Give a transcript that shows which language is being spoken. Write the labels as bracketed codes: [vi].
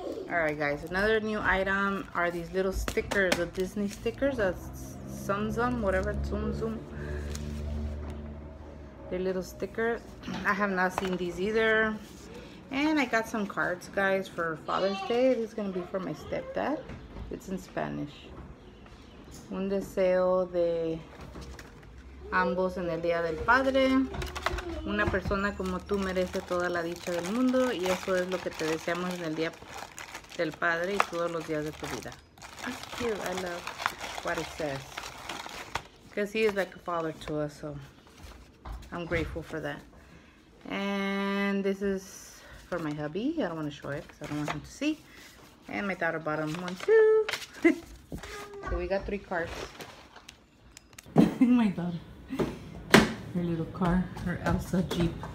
[en] Alright, guys, another new item are these little stickers, the Disney stickers, that's Zum Zum, whatever, Zum Zum. They're little stickers. I have not seen these either. And I got some cards, guys, for Father's Day. This is going to be for my stepdad. It's in Spanish. [es] Un deseo de ambos en el día del padre. Una persona como tú merece toda la dicha del mundo. Y eso es lo que te deseamos en el día del padre y todos los días de tu vida. [en] That's cute. I love what it says. Because he is like a father to us, so I'm grateful for that. And this is for my hubby. I don't want to show it because I don't want him to see. And my daughter bought him one too. So we got three cars. My daughter. Her little car. Her Elsa Jeep.